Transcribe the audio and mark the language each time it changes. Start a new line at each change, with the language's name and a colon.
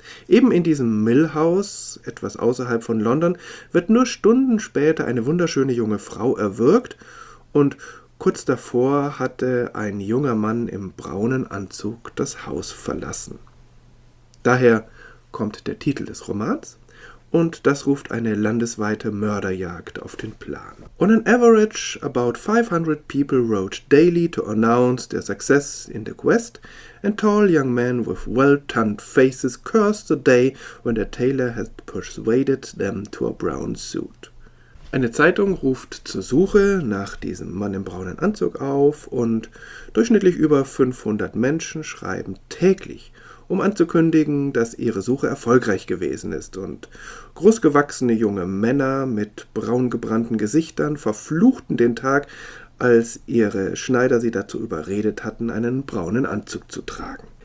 German: Eben in diesem Mill House, etwas außerhalb von London, wird nur Stunden später eine wunderschöne junge Frau erwürgt und kurz davor hatte ein junger Mann im braunen Anzug das Haus verlassen. Daher kommt der Titel des Romans. Und das ruft eine landesweite Mörderjagd auf den Plan.
English: On an average, about 500 people wrote daily to announce their success in the quest, and tall young men with well-tanned faces cursed the day when their tailor had persuaded them to a brown suit.
German: Eine Zeitung ruft zur Suche nach diesem Mann im braunen Anzug auf und durchschnittlich über 500 Menschen schreiben täglich, um anzukündigen, dass ihre Suche erfolgreich gewesen ist und großgewachsene junge Männer mit braungebrannten Gesichtern verfluchten den Tag, als ihre Schneider sie dazu überredet hatten, einen braunen Anzug zu tragen.